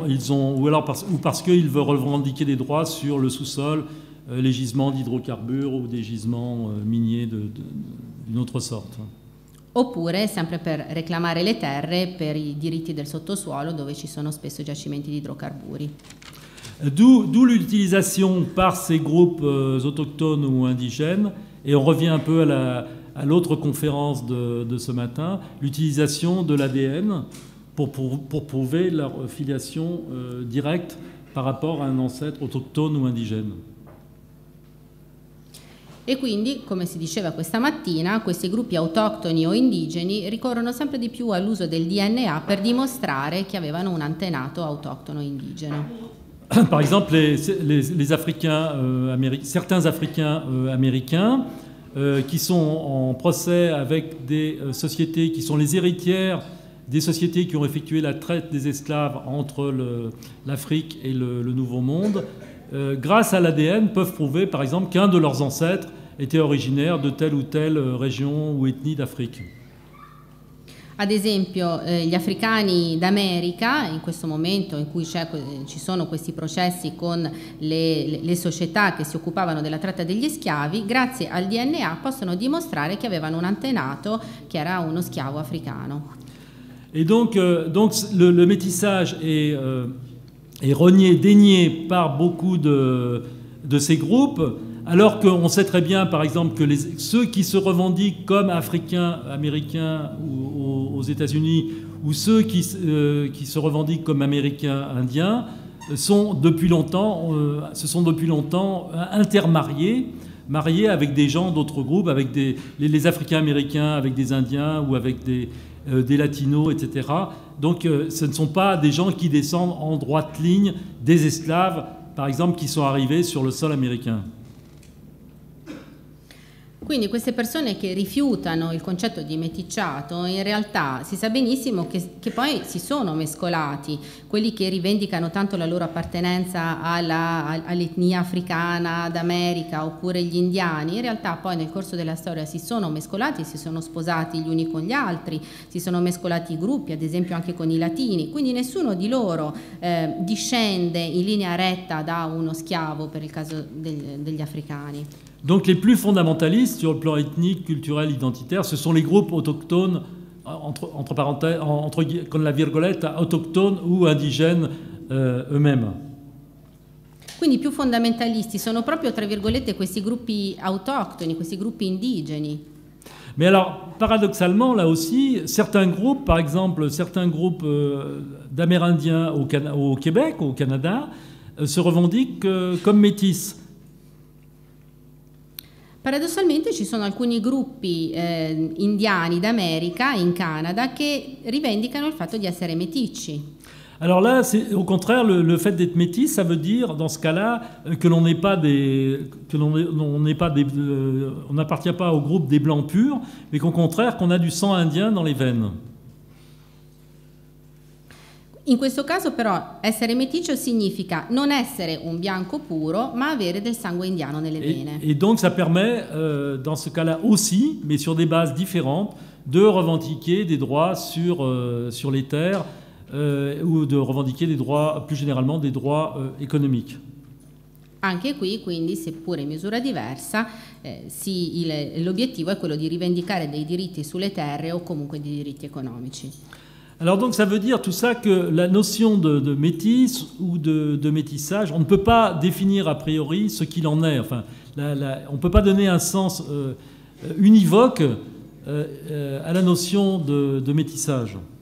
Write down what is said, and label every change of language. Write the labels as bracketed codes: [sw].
[fr] Ou parce qu'ils veulent revendiquer des droits sur le sous-sol, les gisements d'hydrocarbures ou des gisements miniers d'une autre sorte. [it] Oppure sempre per reclamare le terre per i diritti del sottosuolo dove ci sono spesso giacimenti di idrocarburi. [fr] D'où l'utilisation par ces groupes autochtones ou indigènes, et on revient un peu à l'autre conférence de ce matin, l'utilisation de l'ADN pour prouver leur filiation directe par rapport à un ancêtre autochtone ou indigène. [it] E quindi, come si diceva questa mattina, questi gruppi autoctoni o indigeni ricorrono sempre di più all'uso del DNA per dimostrare che avevano un antenato autoctono indigeno. [fr] Par exemple, les Africains, certains Africains américains qui sont en procès avec des sociétés qui sont les héritières des sociétés qui ont effectué la traite des esclaves entre l'Afrique et le Nouveau Monde, grâce à l'ADN, peuvent prouver, par exemple, qu'un de leurs ancêtres était originaire de telle ou telle région ou ethnie d'Afrique. [it] Ad esempio, gli africani d'America, in questo momento in cui ci sono questi processi con le società che si occupavano della tratta degli schiavi, grazie al DNA possono dimostrare che avevano un antenato che era uno schiavo africano. [fr] Et donc le métissage est renié, dénié par beaucoup de ces groupes, alors qu'on sait très bien, par exemple, que ceux qui se revendiquent comme Africains, Américains aux États-Unis, ou ceux qui se revendiquent comme Américains, Indiens, se sont depuis longtemps intermariés, mariés avec des gens d'autres groupes, avec les Africains, Américains, avec des Indiens ou avec des Latinos, etc. Donc ce ne sont pas des gens qui descendent en droite ligne des esclaves, par exemple, qui sont arrivés sur le sol américain. [it] Quindi queste persone che rifiutano il concetto di meticciato, in realtà si sa benissimo che poi si sono mescolati, quelli che rivendicano tanto la loro appartenenza all'etnia africana d'America oppure gli indiani, in realtà poi nel corso della storia si sono mescolati, si sono sposati gli uni con gli altri, si sono mescolati i gruppi, ad esempio anche con i latini, quindi nessuno di loro discende in linea retta da uno schiavo per il caso degli africani. [fr] Donc les plus fondamentalistes sur le plan ethnique, culturel, identitaire, ce sont les groupes autochtones, entre parenthèses, entre [it] con la virgolette, [fr] autochtones ou indigènes eux-mêmes. [it] Quindi i più fondamentalisti sono proprio tra virgolette questi gruppi autoctoni, questi gruppi indigeni. [fr] Mais alors, paradoxalement, là aussi, certains groupes, par exemple, certains groupes d'Amérindiens au Québec, au Canada, se revendiquent comme métis. [it] Paradossalmente ci sono alcuni gruppi indiani d'America in Canada che rivendicano il fatto di essere meticci. [fr] Alors là, c'est au contraire le fait d'être métis, ça veut dire dans ce cas-là que l'on n'est pas on n'appartient pas au groupe des blancs purs, mais qu'au contraire qu'on a du sang indien dans les veines. [it] In questo caso però essere meticcio significa non essere un bianco puro, ma avere del sangue indiano nelle vene. [fr] E donc ça permet dans ce cas-là aussi, mais sur des bases différentes, de revendiquer des droits sur les terres ou de revendiquer des droits plus généralement des droits économiques. [it] Anche qui, quindi, seppure in misura diversa, l'obiettivo è quello di rivendicare dei diritti sulle terre o comunque dei diritti economici. [fr] Alors donc ça veut dire tout ça que la notion de métis ou de métissage, on ne peut pas définir a priori ce qu'il en est. Enfin, on ne peut pas donner un sens univoque à la notion de métissage.